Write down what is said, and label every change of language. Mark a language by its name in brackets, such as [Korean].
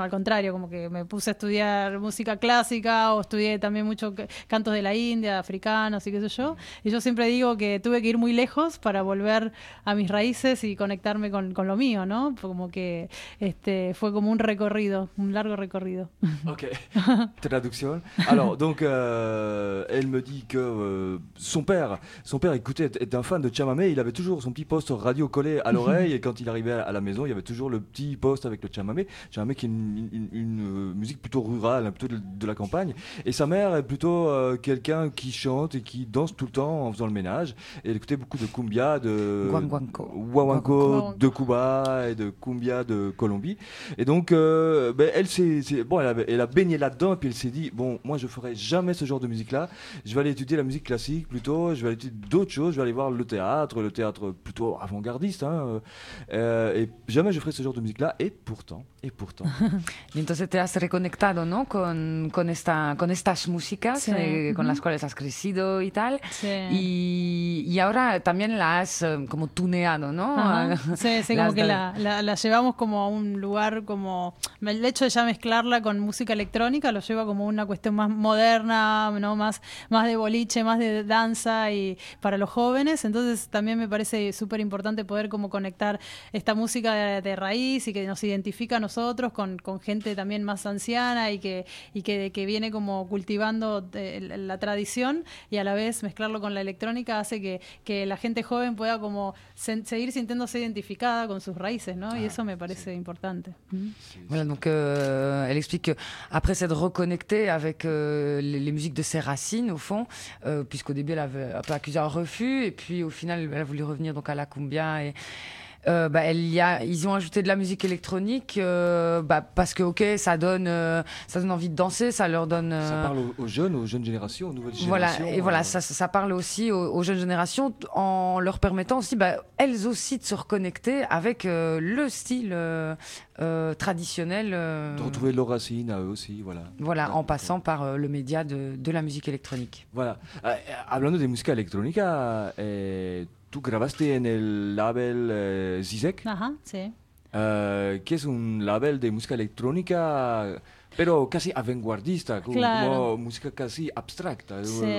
[Spanish] No, al contrario, como que me puse a estudiar música clásica o estudié también mucho cantos de la India, africanos y qué sé yo. Y yo siempre digo que tuve que ir muy lejos para volver a mis raíces y conectarme con lo mío, ¿no? Como que fue como un recorrido, un largo recorrido. Ok. Traducción. [French] Alors, donc, elle me dit que son père, écoutait, était un fan de chamamé. Il avait toujours son petit poste radio collé à l'oreille et quand il arrivait à la maison, il y avait toujours le petit poste avec le chamamé. Chamamé qui est une musique plutôt rurale, plutôt de la campagne. Et sa mère est plutôt quelqu'un qui chante et qui danse tout le temps en faisant le ménage. Et elle écoutait beaucoup de cumbia, de guanguanco. De Cuba et de cumbia de Colombie. Et donc, elle a baigné là-dedans et puis elle s'est dit, bon, moi, je ne ferai jamais ce genre de musique-là. Je vais aller étudier la musique classique plutôt. Je vais aller étudier d'autres choses. Je vais aller voir le théâtre plutôt avant-gardiste. Hein, et jamais je ferai ce genre de musique-là. Et pourtant. [Spanish] Entonces, te has reconectado, ¿no? con estas músicas sí. Con las cuales has crecido y tal. Sí. Y ahora también las has como tuneado, ¿no? Sí, como que la llevamos como a un lugar como... El hecho de ya mezclarla con música electrónica lo lleva como una cuestión más moderna, ¿no? Más de boliche, más de danza y para los jóvenes. Entonces también me parece súper importante poder como conectar esta música de raíz y que nos identifica a nosotros con gente también más anciana y que viene como cultivando la tradición, y a la vez mezclarlo con la electrónica hace que la gente joven pueda como seguir sintiéndose identificada con sus raíces, ¿no? Y eso me parece importante. [French] Voilà, donc elle explique qu'après s'être reconnectée avec les musiques de ses racines, au fond, puisqu'au début elle avait un peu accusé un refus, et puis au final elle a voulu revenir donc à la cumbia. Et ils ont ajouté de la musique électronique parce que ok, ça donne envie de danser, ça leur donne ça parle aux jeunes, aux jeunes générations, aux nouvelles générations, voilà, et voilà, ça parle aussi aux jeunes générations en leur permettant aussi elles aussi de se reconnecter avec le style traditionnel, de retrouver leurs racines à eux aussi, voilà en passant par le média de la musique électronique. [Spanish] Voilà, hablando de música electrónica, tú grabaste en el label Zizek. Ajá, sí. Que es un label de música electrónica, pero casi avanguardista, claro. Como música casi abstracta, sí.